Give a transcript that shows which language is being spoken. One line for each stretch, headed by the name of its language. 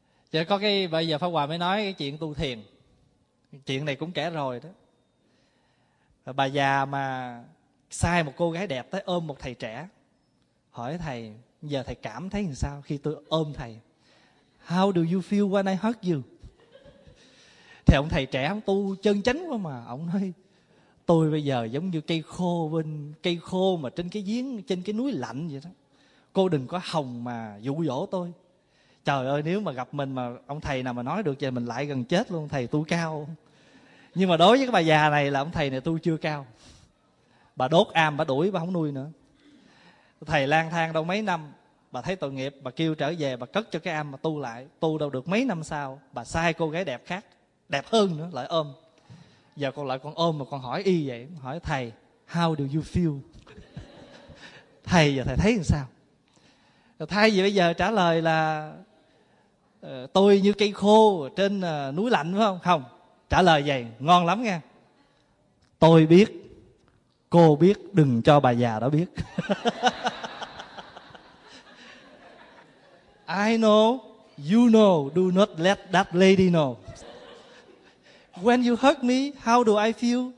Vietnamese: Chỉ có cái, bây giờ Pháp Hòa mới nói cái chuyện tu thiền. Chuyện này cũng kể rồi đó. Bà già mà sai một cô gái đẹp tới ôm một thầy trẻ. Hỏi thầy, giờ thầy cảm thấy làm sao khi tôi ôm thầy?
English: How do you feel when I hug you?
Vietnamese: Thì ông thầy trẻ ông tu chân chánh quá mà. Ông nói, tôi bây giờ giống như cây khô mà trên cái giếng, trên cái núi lạnh vậy đó. Cô đừng có hòng mà dụ dỗ tôi. Trời ơi, nếu mà gặp mình mà ông thầy nào mà nói được thì mình lại gần chết luôn, thầy tu cao. Nhưng mà đối với cái bà già này là ông thầy này tu chưa cao. Bà đốt am, bà đuổi, bà không nuôi nữa. Thầy lang thang đâu mấy năm, bà thấy tội nghiệp, bà kêu trở về, bà cất cho cái am mà tu lại. Tu đâu được mấy năm sau, bà sai cô gái đẹp khác, đẹp hơn nữa, lại ôm. Giờ còn lại con ôm mà còn hỏi y vậy. Hỏi thầy,
English: how do you feel?
Vietnamese: Thầy giờ thầy thấy làm sao? Thay vì bây giờ trả lời là tôi như cây khô trên núi lạnh phải không? Không. Trả lời vậy, ngon lắm nha. Tôi biết, cô biết, đừng cho bà già đó biết.
English: I know, you know, do not let that lady know. When you hug me, how do I feel?